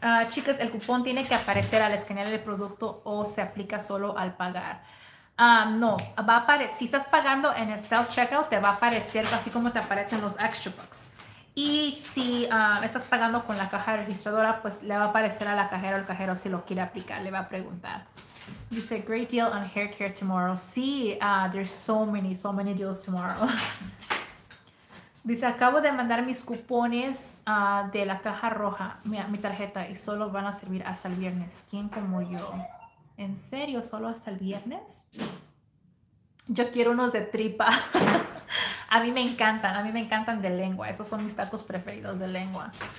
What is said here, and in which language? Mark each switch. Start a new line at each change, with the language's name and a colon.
Spanish: Chicas, el cupón tiene que aparecer al escanear el producto o se aplica solo al pagar. No, va a aparecer. Si estás pagando en el self-checkout, te va a aparecer así como te aparecen los extra bucks. Y si estás pagando con la caja registradora, pues le va a aparecer a la cajera o el cajero si lo quiere aplicar, le va a preguntar.
English: Dice, great deal on hair care tomorrow. Sí, there's so many deals tomorrow.
Spanish: Dice, acabo de mandar mis cupones de la caja roja, mi tarjeta, y solo van a servir hasta el viernes. ¿Quién como yo? ¿En serio? ¿Solo hasta el viernes? Yo quiero unos de tripa. A mí me encantan de lengua. Esos son mis tacos preferidos de lengua.